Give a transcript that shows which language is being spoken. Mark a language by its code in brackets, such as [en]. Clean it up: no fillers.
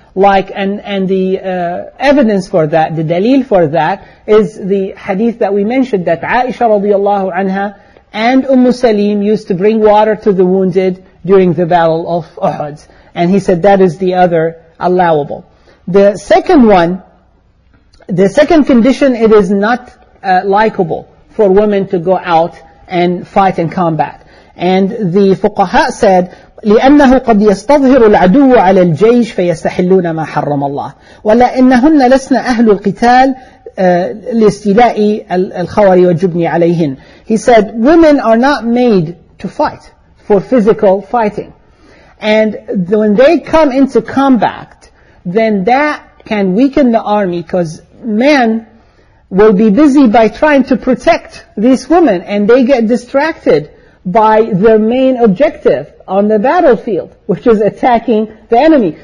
[en] Like, and the evidence for that, the dalil for that, is the hadith that we mentioned, that Aisha radiallahu anha and Ummu Salim used to bring water to the wounded during the battle of Uhud. And he said that is the other allowable. The second one, the second condition, it is not likable for women to go out and fight in combat. And the fuqaha said, [ar] لأنه قد يستظهر العدو على الجيش فيستحلون ما حرم الله ولا إنهن لسنا أهل القتال لاستيلاء الخوار والجبن عليهن. [en] He said, women are not made to fight, for physical fighting. And when they come into combat, then that can weaken the army, because men will be busy by trying to protect these women, and they get distracted by their main objective on the battlefield, which is attacking the enemy.